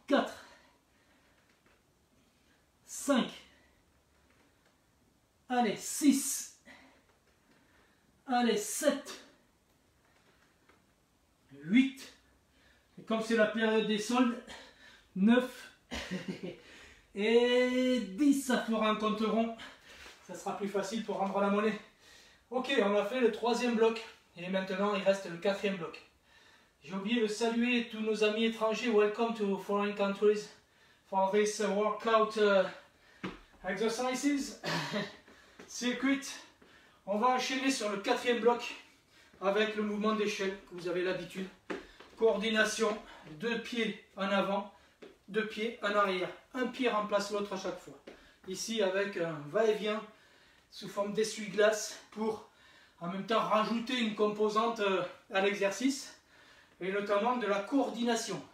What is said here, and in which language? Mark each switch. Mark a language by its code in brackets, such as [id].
[fr] 4, 5, allez, 6, allez, 7, 8, et comme c'est la période des soldes, 9, et 10, ça fera un compte rond. Ça sera plus facile pour rendre la monnaie. Ok, on a fait le troisième bloc. Et maintenant, il reste le quatrième bloc. J'ai oublié de saluer tous nos amis étrangers. [en] Welcome to foreign countries for this workout exercises. [fr] Circuit. On va enchaîner sur le quatrième bloc avec le mouvement d'échelle que vous avez l'habitude. Coordination, deux pieds en avant, deux pieds en arrière. Un pied remplace l'autre à chaque fois. Ici, avec un va-et-vient sous forme d'essuie-glace pour en même temps rajouter une composante à l'exercice et notamment de la coordination.